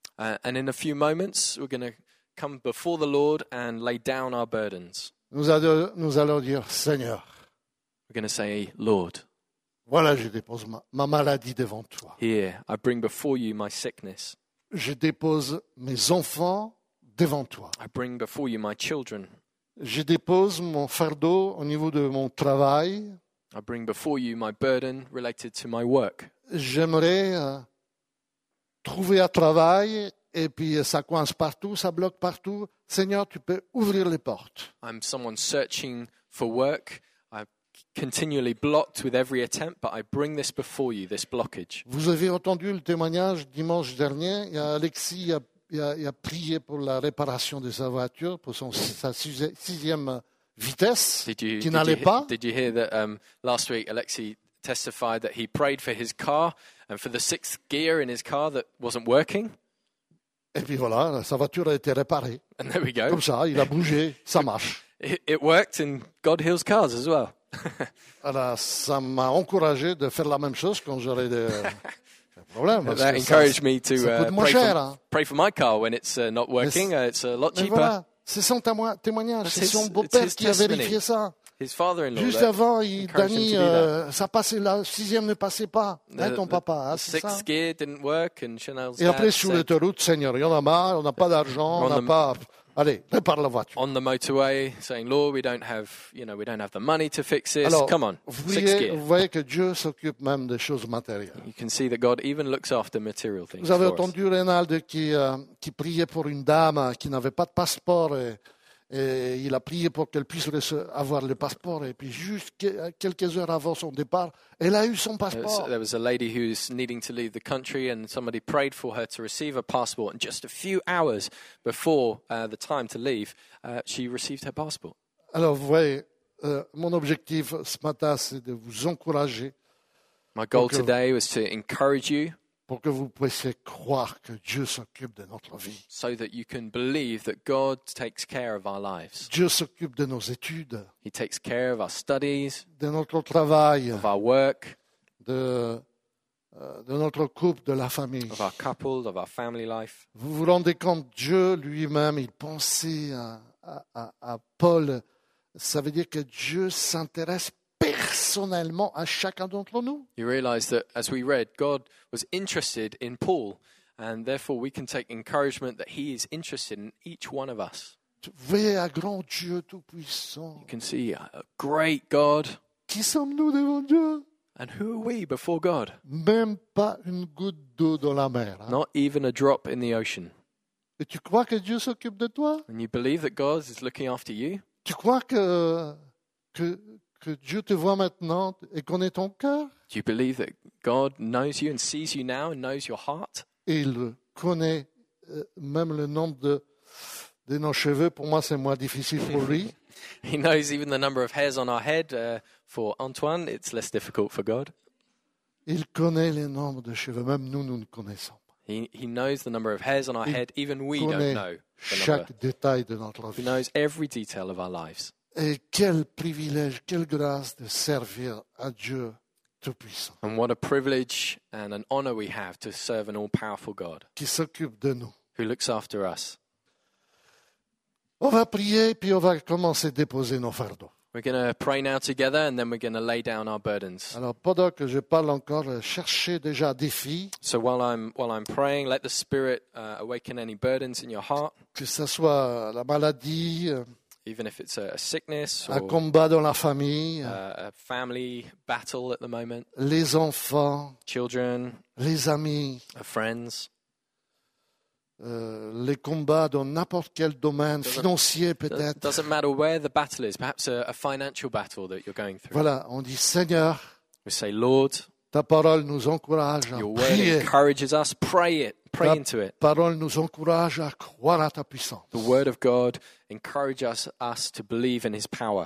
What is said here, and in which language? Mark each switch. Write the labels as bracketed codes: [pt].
[en] And in a few moments, we're going to come before the Lord and lay down our burdens. [fr] Nous allons dire, Seigneur. [en] We're going to say, Lord. [fr] Voilà, je dépose ma maladie devant toi. [en] Here, I bring before you my sickness. [fr] Je dépose mes enfants devant toi. [en] I bring before you my children. [fr] Je dépose mon fardeau au niveau de mon travail. [en] I bring before you my burden related to my work. [fr] J'aimerais trouver un travail et puis ça coince partout, ça bloque partout. Seigneur, tu peux ouvrir les portes. [en] I'm someone searching for work. Continually blocked with every attempt, but I bring this before you, this blockage. [fr] Vous avez entendu le témoignage dimanche dernier. Il y a Alexis il a prié pour la réparation de sa voiture, pour sa sixième vitesse qui n'allait pas. [en] Did you hear that last week Alexis testified that he prayed for his car and for the sixth gear in his car that wasn't working? [fr] Et puis voilà, sa voiture a été réparée. [en] And there we go. [fr] Comme ça, il a bougé, ça marche. [en] It worked and God heals cars as well. [fr] Alors, ça m'a encouragé de faire la même chose quand j'aurais des problèmes. [en] That encouraged me to pray for my car when it's not working. It's a lot cheaper. [fr] Voilà, c'est son témoignage. C'est son beau-père qui a vérifié ça. [en] His father-in-law. [fr] Juste avant, Danny, ça passait, la sixième ne passait pas. Ton papa, c'est ça. [en] Sixth gear didn't work, and Chanel's. [fr] Et après, sur l'autoroute, Seigneur, il y en a marre. On n'a pas d'argent. On n'a pas. Allez, répare la voiture. [en] On the motorway, saying, Lord, we don't have the money to fix this. [fr] Alors, [en] come on. [fr] Vous voyez que Dieu s'occupe même des choses matérielles. [en] You can see that God even looks after material things. [fr] Vous avez entendu Reynald qui priait pour une dame qui n'avait pas de passeport et il a prié pour qu'elle puisse avoir le passeport et puis juste quelques heures avant son départ, elle a eu son passeport. [en] There was a lady who's needing to leave the country and somebody prayed for her to receive a passport and just a few hours before the time to leave, she received her passport. [fr] Alors vous voyez, mon objectif ce matin c'est de vous encourager. [en] My goal today was to encourage you. [fr] Pour que vous puissiez croire que Dieu s'occupe de notre vie. [en] So that you can believe that God takes care of our lives. [fr] Dieu s'occupe de nos études. [en] He takes care of our studies. [fr] De notre travail. [en] Of our work. [fr] De notre couple, de la famille. [en] Of our couple, of our family life. [fr] Vous vous rendez compte, Dieu lui-même, il pensait à Paul. Ça veut dire que Dieu s'intéresse personnellement à chacun d'entre nous. [en] You realize that as we read, God was interested in Paul, and therefore we can take encouragement that he is interested in each one of us. [fr] Voyez un grand Dieu tout-puissant. [en] You can see a great God. [fr] Qui sommes-nous devant Dieu? [en] And who are we before God? [fr] Même pas une goutte d'eau dans la mer. [en] Not even a drop in the ocean. [fr] Et tu crois que Dieu s'occupe de toi? [en] And you believe that God is looking after you? [fr] Tu crois que Dieu te voit maintenant et connaît ton cœur? [en] Do you believe that God knows you and sees you now and knows your heart? [fr] Il connaît même le nombre de nos cheveux. Pour moi, c'est moins difficile pour lui. [en] He knows even the number of hairs on our head. For Antoine, it's less difficult for God. [fr] Il connaît le nombre de cheveux. Même nous ne connaissons pas. [en] He knows the number of hairs on our [fr] il [en] head. Even we don't know. [fr] Chaque détail de notre vie. [en] He knows every detail of our lives. [fr] Et quel privilège, quelle grâce de servir à Dieu Tout-Puissant. [en] And what a privilege and an honor we have to serve an all-powerful God. [fr] Qui s'occupe de nous. [en] Who looks after us. [fr] On va prier, puis on va commencer à déposer nos fardeaux. [en] We're going to pray now together and then we're going to lay down our burdens. [fr] Alors pendant que je parle encore, cherchez déjà des filles. [en] So while I'm praying, let the Spirit awaken any burdens in your heart. [fr] Que ce soit la maladie, [en] even if it's a sickness or [fr] un combat dans la famille, [en] a family battle at the moment, [fr] les enfants, [en] children, [fr] les amis, [en] friends. [fr] les combats dans n'importe quel domaine, financier peut-être. [en] Doesn't matter where the battle is, perhaps a financial battle that you're going through. [fr] Voilà, on dit Seigneur. [en] We say Lord. [fr] Ta parole nous encourage à prier. [en] Your word encourages us. Pray it. Pray into it. [fr] Ta parole nous encourage à croire à ta puissance. [en] The word of God encourages us to believe in His power.